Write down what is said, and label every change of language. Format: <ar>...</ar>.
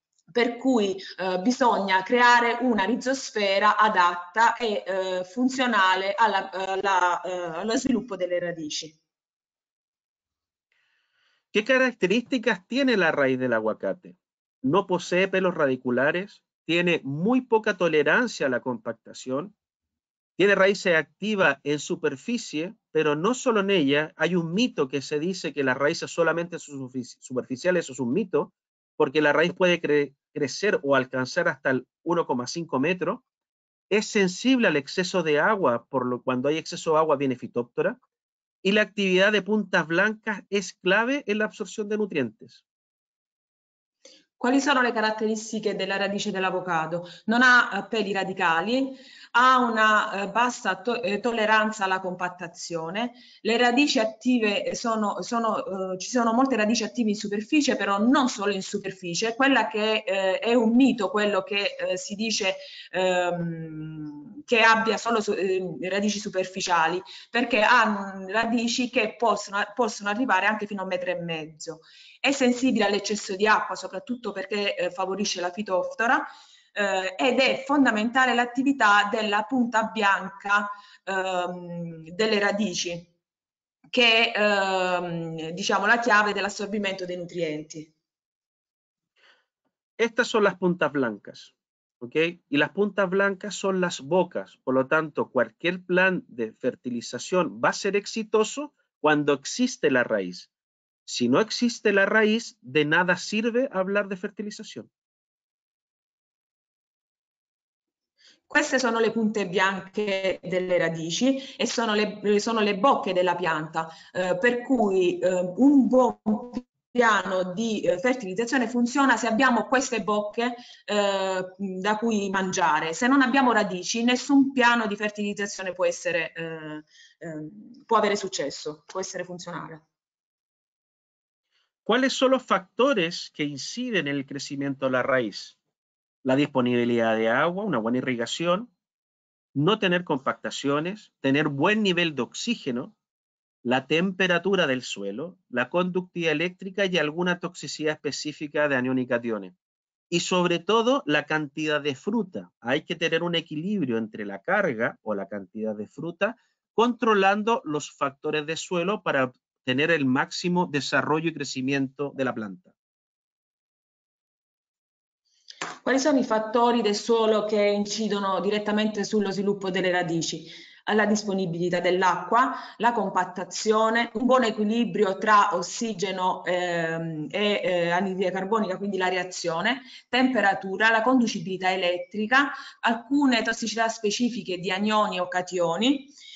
<it>Per cui bisogna creare una rizosfera adatta e funzionale allo sviluppo delle radici.</it> <es>¿Qué características tiene la raíz del aguacate? No posee pelos radiculares, tiene muy poca tolerancia a la compactación, tiene raíces activas en superficie, pero no solo en ella. Hay un mito que se dice que las raíces solamente son superficiales, eso es un mito, porque la raíz puede crecer o alcanzar hasta el 1,5 metros. Es sensible al exceso de agua, por lo cuando hay exceso de agua viene fitóptora. Y la actividad de puntas blancas es clave en la absorción de nutrientes.</es> <it>Quali sono le caratteristiche della radice dell'avocado? Non ha peli radicali, ha una bassa tolleranza alla compattazione, le radici attive ci sono molte radici attive in superficie, però non solo in superficie, quella che è un mito, quello che si dice che abbia solo radici superficiali, perché ha radici che possono arrivare anche fino a un metro e mezzo. È sensibile all'eccesso di acqua, soprattutto perché favorisce la fitoftora, ed è fondamentale l'attività della punta bianca delle radici, che è diciamo, la chiave dell'assorbimento dei nutrienti.</it> <es>Estas son las puntas blancas, ¿ok? Y las puntas blancas son las bocas, por lo tanto, cualquier plan de fertilización va a ser exitoso cuando existe la raíz. Si no existe la raíz, de nada sirve hablar de fertilización.</es> <it>Queste sono le punte bianche delle radici e sono le bocche della pianta, per cui un buon piano di fertilizzazione funziona se abbiamo queste bocche da cui mangiare. Se non abbiamo radici, nessun piano di fertilizzazione può avere successo, può essere funzionale.</it> <es>¿Cuáles son los factores que inciden en el crecimiento de la raíz? La disponibilidad de agua, una buena irrigación, no tener compactaciones, tener buen nivel de oxígeno, la temperatura del suelo, la conductividad eléctrica y alguna toxicidad específica de anión y cationes. Y sobre todo, la cantidad de fruta. Hay que tener un equilibrio entre la carga o la cantidad de fruta, controlando los factores de suelo para tener el máximo desarrollo y crecimiento de la planta.</es> <it>Quali sono i fattori del suolo che incidono direttamente sullo sviluppo delle radici? La disponibilità dell'acqua, la compattazione, un buon equilibrio tra ossigeno e anidride carbonica, quindi la reazione, temperatura, la conducibilità elettrica, alcune tossicità specifiche di anioni o cationi</it>